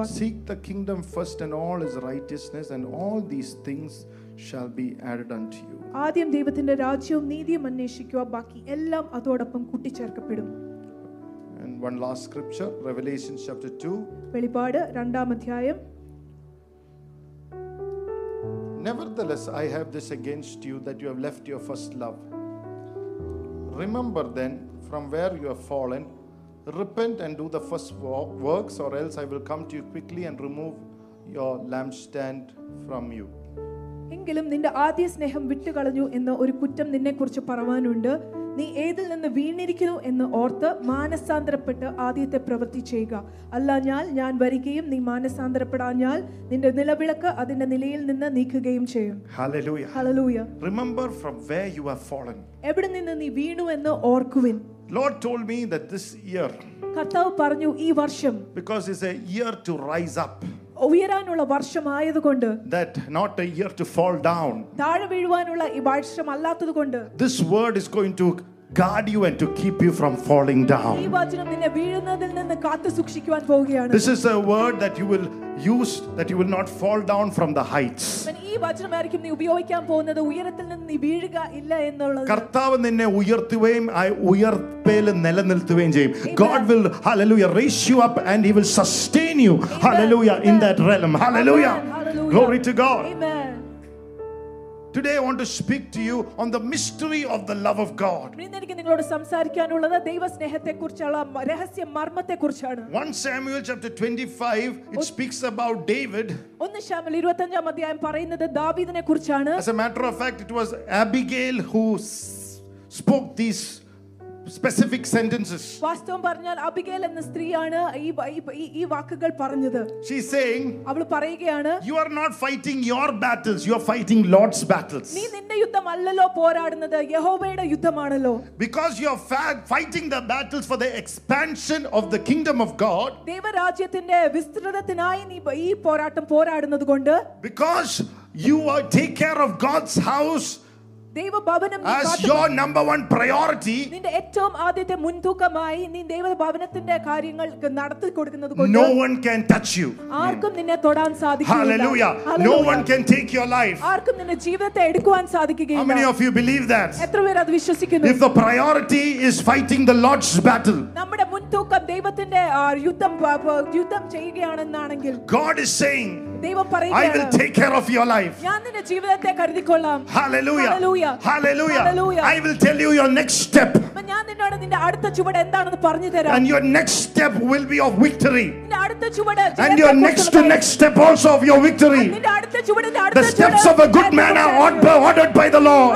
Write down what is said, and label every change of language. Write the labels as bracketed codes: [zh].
[en] But seek the kingdom first and all his righteousness and all these things shall be added unto you. [ml] ആദ്യം ദൈവത്തിന്റെ രാജ്യവും നീതിയും അന്വേഷിക്കുക, ബാക്കി എല്ലാം അതോടൊപ്പം കൂട്ടിച്ചേർക്കപ്പെടും. [en] And one last scripture, Revelation chapter 2. [ml] Velipada 2nd adhyayam. [en] Nevertheless, I have this against you, that you have left your first love. Remember then from where you have fallen, repent and do the first works, or else I will come to you quickly and remove your lampstand from you. [ml] എങ്കിലും നിന്റെ ആദ്യ സ്നേഹം വിട്ടുകളഞ്ഞു എന്ന ഒരു കുറ്റം നിന്നെക്കുറിച്ച് പറയാനുണ്ട്. നീ ഏതിൽ നിന്ന് വീണിരിക്കുന്നു എന്ന് ഓർത്ത് മാനസാന്തരപ്പെട്ട് ആദ്യത്തെ പ്രവൃത്തി ചെയ്യുക. അല്ലാഞ്ഞാൽ ഞാൻ വരികയും നീ മാനസാന്തരപ്പെടാഞ്ഞാൽ നിന്റെ നിലവിളക്ക് അതിന്റെ നിലയിൽ നിന്ന് നീക്കുകയും ചെയ്യും. Hallelujah, hallelujah. [en] Remember from where you have fallen. [ml] എവിടെ നിന്ന് നീ വീണു എന്ന് ഓർക്കുവിൻ. [en] Lord told me that this year, [ml] കർത്താവ് പറഞ്ഞു ഈ വർഷം, [en] because it's a year to rise up, [ml] ഉയരാനുള്ള വർഷമായതുകൊണ്ട്, [en] that not a year to fall down, [ml] താഴെ വീഴുവാനുള്ള ഈ വർഷം അല്ലാത്തതുകൊണ്ട്, [en] this word is going to guard you and to keep you from falling down. [ml] ഈ വചനം നിന്നെ വീഴുന്നതിൽ നിന്ന് കാത്തു സൂക്ഷിക്കാൻ പോവുകയാണ്. [en] This is a word that you will use, that you will not fall down from the heights. [ml] ഈ വചനമായിരിക്കും നീ ഉപയോഗിക്കാൻ പോകുന്നത് ഉയരത്തിൽ നിന്ന് നീ വീഴുക ഇല്ല എന്നുള്ളത്. കർത്താവ് നിന്നെ ഉയർത്തുകയും ഉയർപ്പേലും നിലനിർത്തുകയും ചെയ്യും. [en] God will, hallelujah, raise you up and he will sustain you, hallelujah, in that realm. Hallelujah, glory to God. Amen. Today I want to speak to you on the mystery of the love of God. [ml] നിങ്ങൾക്ക് നിങ്ങളോട് സംസാരിക്കാനുള്ളത് ദൈവസ്നേഹത്തെക്കുറിച്ചുള്ള രഹസ്യ മർമ്മത്തെക്കുറിച്ചാണ്. [en] 1 Samuel chapter 25, it speaks about David. [ml] 1 ശമൂവേൽ 25-ാം അധ്യായം പറയുന്നത് ദാവീദിനെക്കുറിച്ചാണ്. [en] As a matter of fact, it was Abigail who spoke these specific sentences. [ml] വാസ്തവം പറഞ്ഞാൽ Abigail എന്ന സ്ത്രീയാണ് ഈ വാക്കുകൾ പറഞ്ഞത്. [en] She is saying, [ml] അവൾ പറയുകയാണ്, [en] you are not fighting your battles, you are fighting Lord's battles. [ml] നീ നിന്റെ യുദ്ധമല്ലല്ലോ പോരാടുന്നത്, യഹോവയുടെ യുദ്ധമാണല്ലോ. [en] Because you are fighting the battles for the expansion of the kingdom of God. [ml] ദൈവരാജ്യത്തിന്റെ വിസ്തൃതത്തിനായി നീ ഈ പോരാട്ടം പോരാടുന്നതുകൊണ്ട്, [en] because you are take care of God's house as your number one priority, [ml] നിന്റെ ഏറ്റവും ആദ്യത്തെ മുൻതൂക്കമായി നീ ദൈവഭവനത്തിന്റെ കാര്യങ്ങൾ നടത്തി കൊടുക്കുന്നതുകൊണ്ട്, [en] no one can touch you, [ml] ആർക്കും നിന്നെ തൊടാൻ സാധിക്കില്ല. [en] Hallelujah, no one can take your life, [ml] ആർക്കും നിന്റെ ജീവിതത്തെ എടുക്കുവാൻ സാധിക്കുകയില്ല. [en] How many of you believe that? [ml] എത്ര പേർ അത് വിശ്വസിക്കുന്നു? [en] If the priority is fighting the Lord's battle, [ml] നമ്മുടെ മുൻതൂക്കം ദൈവത്തിന്റെ യുദ്ധം ചെയ്യുകയാണെന്നാണെങ്കിൽ, [en] God is saying, [ml] ദൈവം പറയുന്നു, [en] I will take care of your life, [ml] ഞാൻ നിന്റെ ജീവിതത്തെ കരുതിക്കൊള്ളാം. [en] Hallelujah, hallelujah, hallelujah, hallelujah. I will tell you your next step, [ml] ഞാൻ നിന്നോട് നിന്റെ അടുത്ത ചുവട് എന്താണെന്ന് പറഞ്ഞു തരാം. [en] And your next step will be of victory, [ml] നിന്റെ അടുത്ത ചുവട്. [en] And your next step also of your victory, [ml] നിന്റെ അടുത്ത ചുവട്. നിന്റെ അടുത്ത [en] ചുവട്, the steps of a good man are ordered by the Lord.